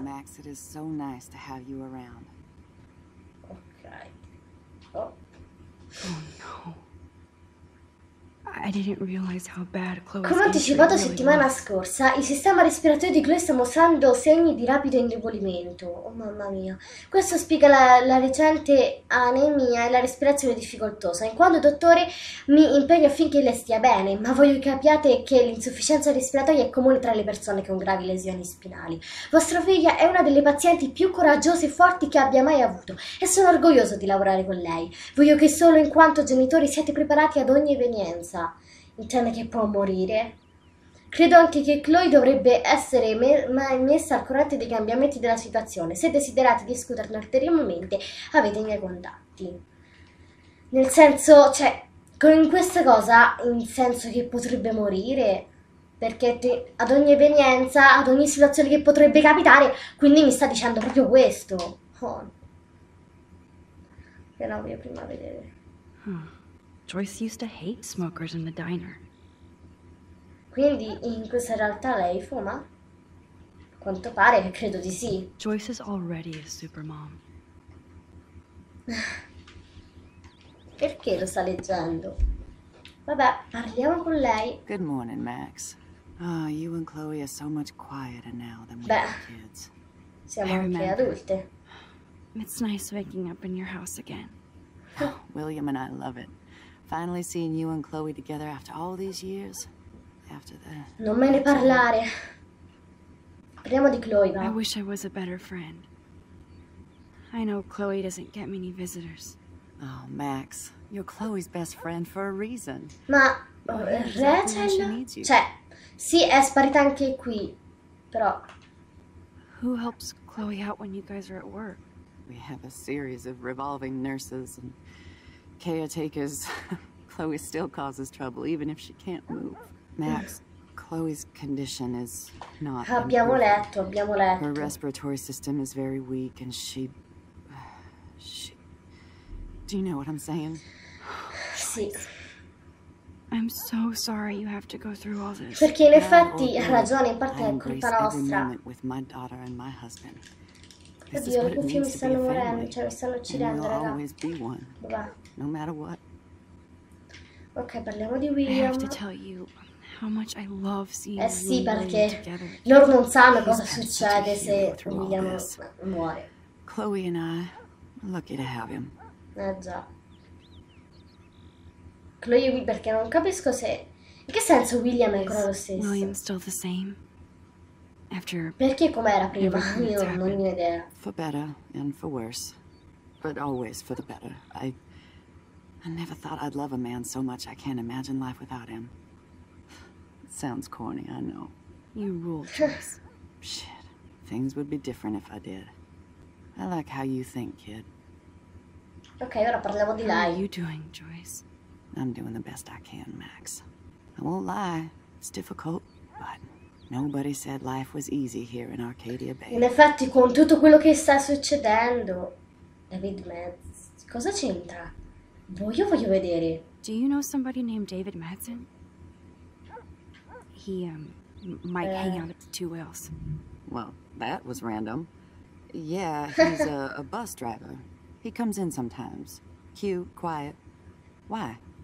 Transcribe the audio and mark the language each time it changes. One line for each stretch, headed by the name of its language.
English: Max, it is so nice to have you around. Oh. Oh no. I didn't realize how bad Chloe's.
Italian: Come anticipato settimana scorsa, il sistema respiratorio di Chloe sta mostrando segni di rapido indebolimento. Oh mamma mia. Questo spiega la recente anemia e la respirazione difficoltosa. In quanto dottore mi impegno affinché lei stia bene, ma voglio che capiate che l'insufficienza respiratoria è comune tra le persone con gravi lesioni spinali. Vostra figlia è una delle pazienti più coraggiose e forti che abbia mai avuto e sono orgoglioso di lavorare con lei. Voglio che solo in quanto genitori siate preparati ad ogni evenienza. Intende che può morire? Credo anche che Chloe dovrebbe essere messa al corrente dei cambiamenti della situazione. Se desiderate discuterne ulteriormente, avete i miei contatti. Nel senso, cioè, con questa cosa, in senso che potrebbe morire, perché ad ogni evenienza, ad ogni situazione che potrebbe capitare, quindi mi sta dicendo proprio questo. Oh. Però voglio prima vedere.
English: Joyce used to hate smokers in the diner.
Italian: Quindi in questa realtà lei fuma? Quanto pare che credo di sì.
English: Joyce is already a super mom.
Italian: Perché lo sta leggendo? Vabbè, parliamo con lei.
English: Good morning, Max. Oh, you and Chloe are so much quieter now than we were kids.
Italian: Siamo anche adulte.
English: It's nice waking up in your house again. Oh, William and I love it. Finally seeing you and Chloe together after all these years. After that.
Italian: Non me ne parlare. Parliamo di Chloe, va.
English: I wish I was a better friend. I know Chloe doesn't get many visitors. Oh, Max, you're Chloe's best friend for a reason.
Italian: Ma Rachel? Cioè, sì, è sparita anche qui. Però
English: who helps Chloe out when you guys are at work? We have a series of revolving nurses and caretakers. Chloe still causes trouble even if she can't move. Max, Chloe's condition is not
Italian: abbiamo letto.
English: Her respiratory system is very weak and she do you know what I'm saying?
Italian: Sì.
English: I'm so sorry you have to go through all this.
Italian: Perché in effetti ha ragione, in parte è colpa nostra.
English: Every moment with my daughter and my husband.
Italian: Oddio, le cuffie mi stanno morendo, cioè mi stanno uccidendo, raga.
English: No matter what.
Italian: Ok, parliamo di William.
English: I have to tell you how much I love seeing.
Italian: Eh sì, perché loro non sanno cosa succede se William muore.
English: Chloe and I, lucky to have him.
Italian: Eh già. Chloe, perché non capisco se. In che senso William è ancora lo stesso?
English: William still the same. After
Italian: perché com'era prima? Io non ho idea.
English: For better and for worse, but always for the better. I never thought I'd love a man so much. I can't imagine life without him. It sounds corny, I know. You rule, Chris. Shit, things would be different if I did. I like how you think, kid.
Italian: Okay, ora parliamo di lei.
English: How are you doing, Joyce? I'm doing the best I can, Max. I won't lie, it's difficult, but nobody said life was easy here in Arcadia Bay.
Italian: In effetti, con tutto quello che sta succedendo, David Metz, cosa c'entra? Io voglio vedere.
English: Do you know somebody named David Madsen? He might hang out at the Two Wheels. Well, that was random. Yeah, he's a bus driver. He comes in sometimes. Cute, quiet. Why?